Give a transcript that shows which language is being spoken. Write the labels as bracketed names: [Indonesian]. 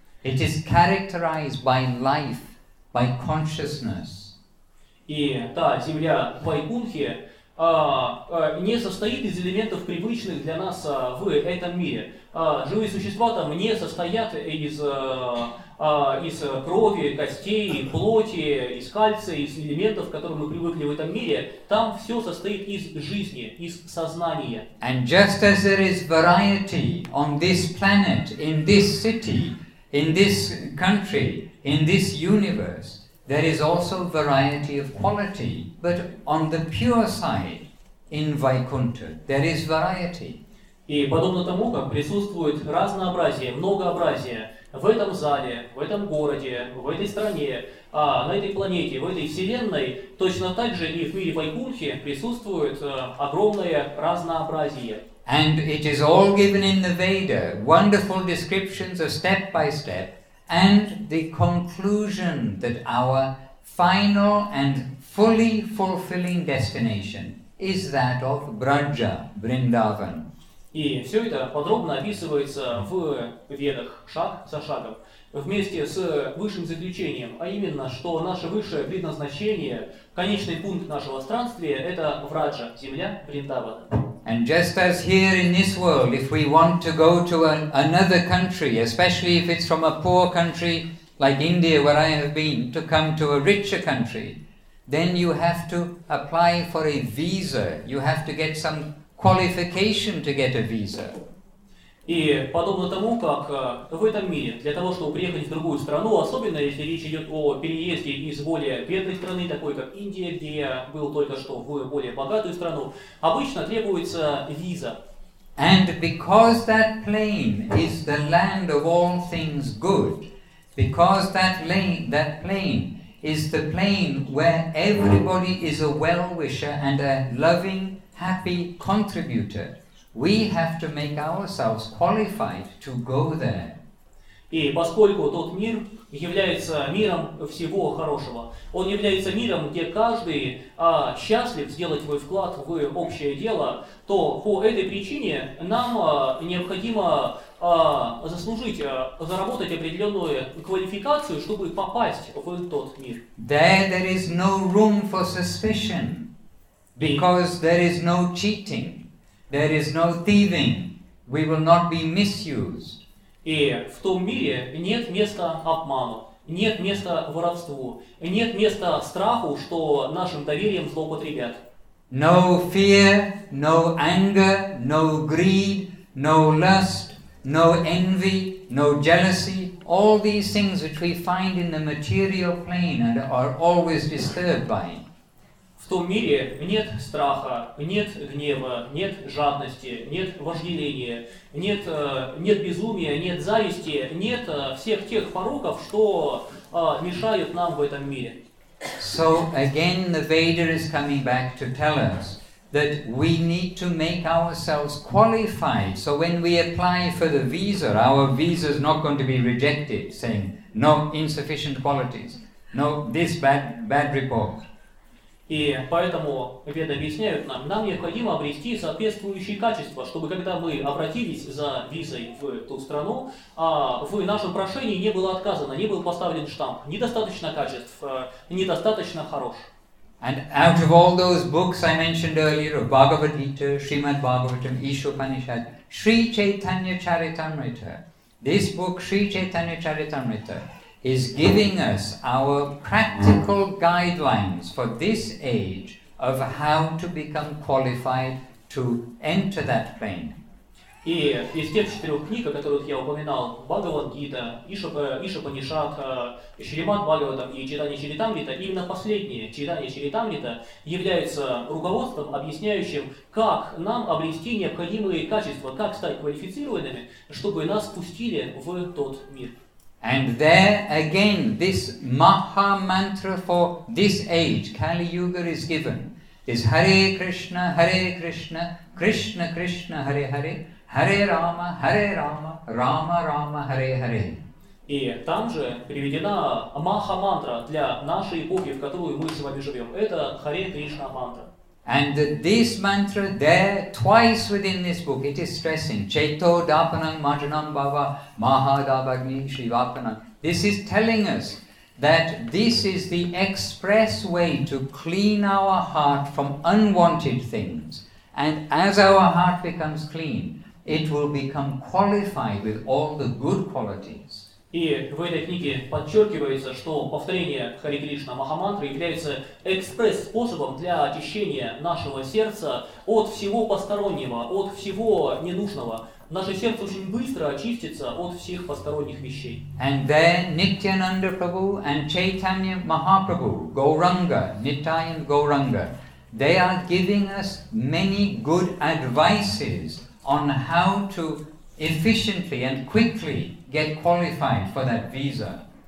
[English] It is characterized by life, by consciousness. [Russian] И та земля Вайкунхи не состоит из элементов привычных для нас в этом мире. Живые существа там не состоят из крови, костей, плоти, из кальция, из элементов, к которым мы привыкли в этом мире. Там все состоит из жизни, из сознания. [English] And just as there is variety on this planet, in this city, in this country, in this universe, There is also variety of quality, but on the pure side, in Vaikuntha, there is variety. [Russian] И подобно тому, как присутствует разнообразие, многообразие в этом зале, в этом городе, в этой стране, а на этой планете, в этой вселенной, точно так же и в мире Вайкунхи присутствует огромное разнообразие. [English] And it is all given in the Veda, wonderful descriptions of step by step, and the conclusion that our final and fully fulfilling destination is that of Braja, Vrindavan. [Russian] И все это подробно описывается в Ведах, шаг за шагом, вместе с высшим заключением, а именно, что наше высшее предназначение, конечный пункт нашего странствия, это Враджа, земля Вриндавана. [English] And just as here in this world, if we want to go to another country, especially if it's from a poor country like India, where I have been, to come to a richer country, then you have to apply for a visa. You have to get some qualification to get a visa. [Russian] И подобно тому, как в этом мире, для того, чтобы приехать в другую страну, особенно если речь идет о переезде из более бедной страны, такой как Индия, где я был только что, в более богатую страну, обычно требуется виза. [English] And because that plain is the land of all things good, because that plain is the plain where everybody is a well-wisher and a loving, happy contributor, we have to make ourselves qualified to go there. [Russian] И поскольку тот мир является миром всего хорошего, он является миром, где каждый счастлив сделать свой вклад в общее дело, то по этой причине нам необходимо заработать определенную квалификацию, чтобы попасть в тот мир. [English] There is no room for suspicion, because there is no cheating. There is no thieving. We will not be misused. [Russian] И в том мире нет места обману, нет места воровству, нет места страху, что нашим доверием злоупотребят. [English] No fear, no anger, no greed, no lust, no envy, no jealousy. All these things which we find in the material plane and are always disturbed by. [Russian] В том мире нет страха, нет гнева, нет жадности, нет вожделения, нет безумия, нет зависти, нет всех тех пороков, что мешают нам в этом мире. [English] So again the Veda is coming back to tell us that we need to make ourselves qualified. So when we apply for the visa, our visa is not going to be rejected, saying no insufficient qualities, no this bad report. [Russian] И поэтому Веды объясняют нам, нам необходимо обрести соответствующие качества, чтобы когда мы обратились за визой в ту страну, в нашем прошении не было отказано, не был поставлен штамп. Недостаточно качеств, недостаточно хорош. [English] And out of all those books I mentioned earlier, of Bhagavad Gita, Srimad Bhagavatam, Isha Upanishad, Sri Chaitanya Charitamrita, this book, Sri Chaitanya Charitamrita, is giving us our practical guidelines for this age of how to become qualified to enter that plane. [Russian] И из тех четырех книг, о которых я упоминал, Бхагавад-гита, Ишопанишад, Шримад-бхагаватам и Читание Чаритамрита, именно последнее, Читание Чаритамрита, является руководством, объясняющим, как нам обрести необходимые качества, как стать квалифицированными, чтобы нас пустили в тот мир. [English] And there again, this Maha Mantra for this age, Kali Yuga, is given. This Hare Krishna, Krishna Krishna, Hare Hare, Hare Rama, Rama Rama, Hare Hare. [Russian] И там же приведена Маха Мантра для нашей эпохи, в которую мы с вами живем. Это Hare Krishna Mantra. [English] And this mantra there twice within this book, it is stressing [Sanskrit] Chaito Dapanam Majanam Bhava Mahadabagni Shivapanam. [English] This is telling us that this is the express way to clean our heart from unwanted things. And as our heart becomes clean, it will become qualified with all the good qualities. [Russian] И в этой книге подчеркивается, что повторение Хари Кришна Махамантры является экспресс-способом для очищения нашего сердца от всего постороннего, от всего ненужного, наше сердце очень быстро очистится от всех посторонних вещей. [English] And then Nityananda Prabhu and Chaitanya Mahaprabhu, Gauranga, Nityananda Gauranga, they are giving us many good advices on how to efficiently and quickly get qualified for that visa.